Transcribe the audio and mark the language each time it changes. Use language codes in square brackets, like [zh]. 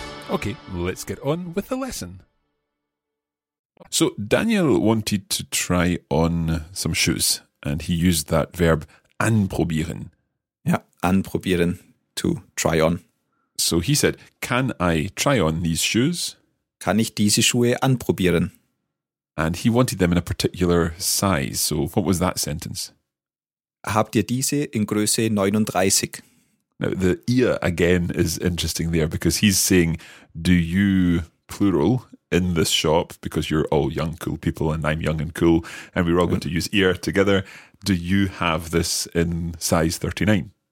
[en] Okay, let's get on with the lesson. So Daniel wanted to try on some shoes and he used that verb anprobieren. Yeah, anprobieren, to try on. So he said, can I try on these shoes? [de] Kann ich diese Schuhe anprobieren? [en] And he wanted them in a particular size. So what was that sentence? [de] Habt ihr diese in Größe 39? [en] Now, the ihr again is interesting there because he's saying, do you, plural, in this shop, because you're all young, cool people and I'm young and cool and we're all going to use ihr together, do you have this in size 39?